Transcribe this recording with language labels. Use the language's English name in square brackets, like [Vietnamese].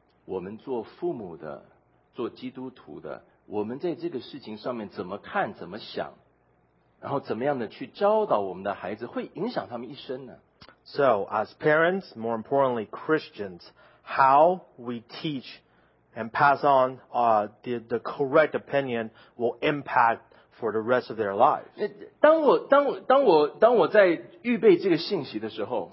[Chinese] 我们做父母的, 做基督徒的, 我们在这个事情上面怎么看,怎么想, 然后怎么样的去教导我们的孩子, 会影响他们一生呢? [English] So, as parents, more importantly Christians, how we teach and pass on the correct opinion will impact for the rest of their lives. [Chinese] 当我在预备这个信息的时候,